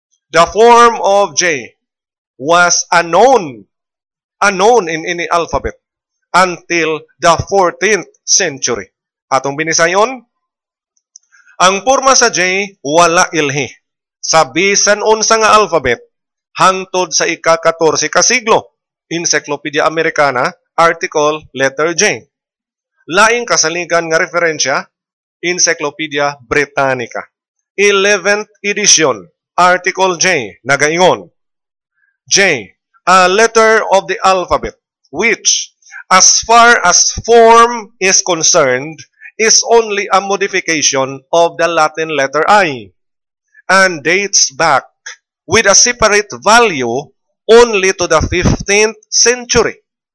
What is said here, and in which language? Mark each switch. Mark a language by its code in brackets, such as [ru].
[en] The form of J was unknown in any alphabet until the 14th century. [ceb] Atong binisayon, ang purma sa J wala ilhi sa bisan unsa nga alphabet hangtod sa ika-14 ka siglo. [en] Encyclopedia Americana, Article Letter J. [ceb] Laing kasaligan nga referensya, [en] Encyclopedia Britannica, 11th edition, Article J, [ceb] nagaingon, [en] J, a letter of the alphabet, which, as far as form is concerned, is only a modification of the Latin letter I, and dates back with a separate value only to the 15th century.